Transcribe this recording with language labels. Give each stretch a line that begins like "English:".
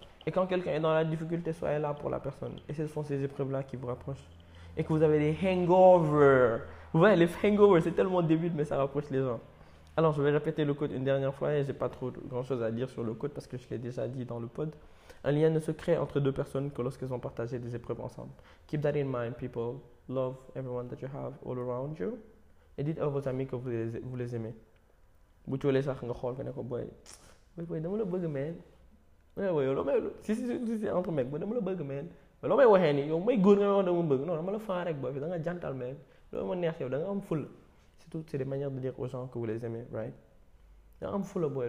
French: Et quand quelqu'un est dans la difficulté, soyez là pour la personne. Et ce sont ces épreuves là qui vous rapprochent. Et que vous avez des hangovers, vous voyez, les hangovers, c'est tellement débile, mais ça rapproche les gens. Alors, je vais répéter le code une dernière fois et je n'ai pas trop grand chose à dire sur le code parce que je l'ai déjà dit dans le pod. Un lien ne se crée entre deux personnes que lorsqu'elles ont partagé des épreuves ensemble.
English: Keep that in mind, people. Love everyone that you have all around you.
French: Et dites à vos amis que vous les aimez. Si tu veux les faire, tu vas te dire, « Oui, surtout, c'est des manières de dire aux gens que vous les aimez, right? Je suis fou, boy.